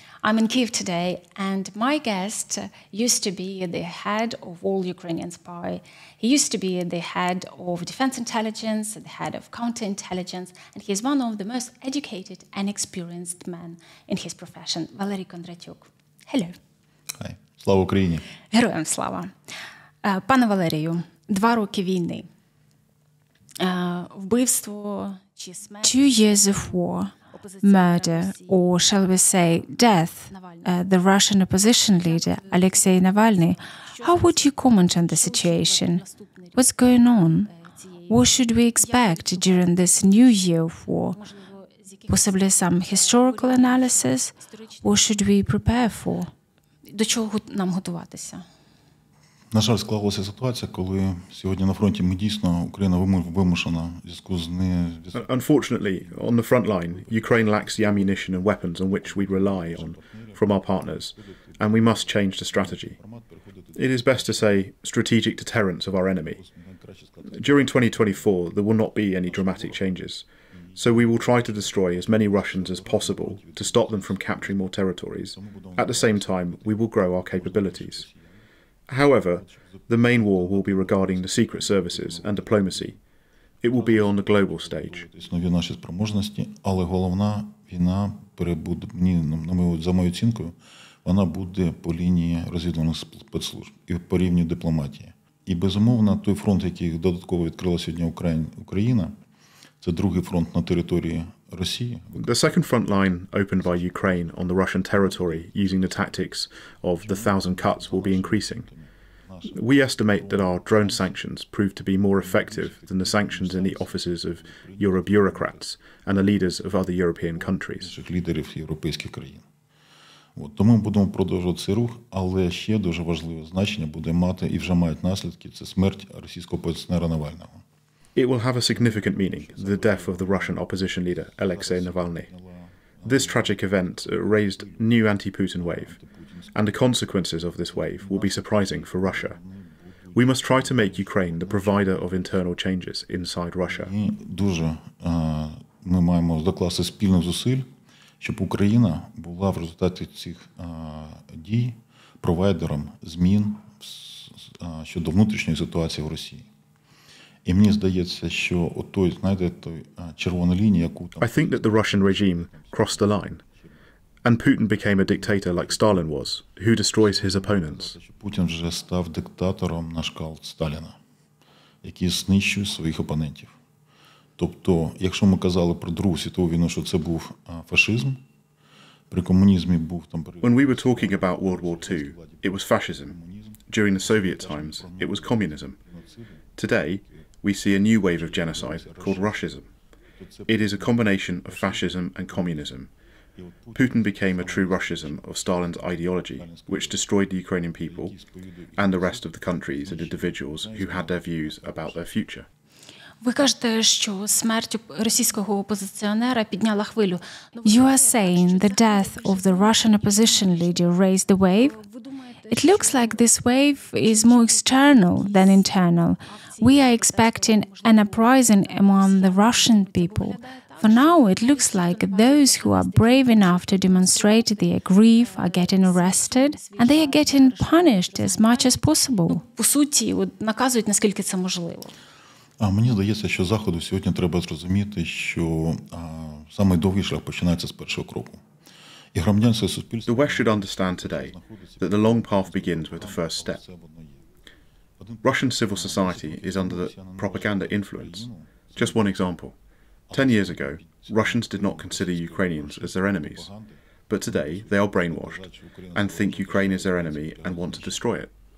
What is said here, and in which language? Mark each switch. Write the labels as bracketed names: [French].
[English] I'm in Kyiv today, and my guest used to be the head of all Ukrainian spy. He used to be the head of defense intelligence, the head of counterintelligence, and he's one of the most educated and experienced men in his profession, Valerii Kondratiuk. Hello. [Ukrainian] Hi. Слава Україні. Героям слава. Пане Валерію, два роки війни. Вбивство чи смерть? [English] 2 years of war. Murder, or shall we say death, the Russian opposition leader Alexei Navalny. How would you comment on the situation? What's going on? What should we expect during this new year of war? Possibly some historical analysis? What should we prepare for? [Ukrainian] До чого нам готуватися? На жаль, склалася ситуація, коли сьогодні на фронті ми дійсно Україна вимушена в зв'язку з не. [English] Unfortunately, on the front line, Ukraine lacks the ammunition and weapons on which we rely on from our partners, and we must change the strategy. It is best to say strategic deterrence of our enemy. During 2024, there will not be any dramatic changes, so we will try to destroy as many Russians as possible to stop them from capturing more territories. At the same time, we will grow our capabilities. However, the main war will be regarding the secret services and diplomacy. It will be on the global stage. [Ukrainian] Нові наші спроможності, але головна війна перебуде за мою оцінкою, вона буде по лінії розвідувальних спецслужб і по рівню дипломатії. І безумовно, той фронт, який додатково відкрила сьогодні Україна, це другий фронт на території Росії. [English] The second front line opened by Ukraine on the Russian territory using the tactics of the thousand cuts will be increasing. We estimate that our drone sanctions proved to be more effective than the sanctions in the offices of Euro bureaucrats and the leaders of other European countries. [Ukrainian] Лідерів європейських країн. От тому ми будемо продовжувати цей рух, але ще дуже важливе значення буде мати і вже мають наслідки це смерть російського опозиціонера Навального. [English] It will have a significant meaning, the death of the Russian opposition leader, Alexei Navalny. This tragic event raised new anti-Putin wave, and the consequences of this wave will be surprising for Russia. We must try to make Ukraine the provider of internal changes inside Russia. [Ukrainian] Дуже ми маємо докласти спільних зусиль, щоб Україна була в результаті цих дій провайдером змін щодо внутрішньої ситуації в Росії. І мені здається, що отой, знаєте, той червона лінія, яку там. [English] I think that the Russian regime crossed the line and Putin became a dictator like Stalin was, who destroys his opponents. [Ukrainian] Путін вже став диктатором на шкал Сталіна, який знищує своїх опонентів. Тобто, якщо ми казали про Другу світову війну, що це був фашизм, при комунізмі був там. [English] When we were talking about World War II, it was fascism. During the Soviet times, it was communism. Today, we see a new wave of genocide called Russism. It is a combination of fascism and communism. Putin became a true Russism of Stalin's ideology, which destroyed the Ukrainian people and the rest of the countries and individuals who had their views about their future. [Ukrainian] Ви кажете, що смерть російського опозиціонера підняла хвилю. [English] You are saying the death of the Russian opposition leader raised the wave? It looks like this wave is more external than internal. We are expecting an uprising among the Russian people. For now, it looks like those who are brave enough to demonstrate their grief are getting arrested, and they are getting punished as much as possible. [Ukrainian] По суті, наказують, наскільки це можливо. А мені здається, що Заходу сьогодні треба зрозуміти, що самий довгий шлях починається з першого кроку. І громадянське суспільство. [English] The West should understand today that the long path begins with the first step. Russian civil society is under the propaganda influence. Just one example. 10 years ago, Russians did not consider Ukrainians as their enemies. But today, they are brainwashed and think Ukraine is their enemy and want to destroy it.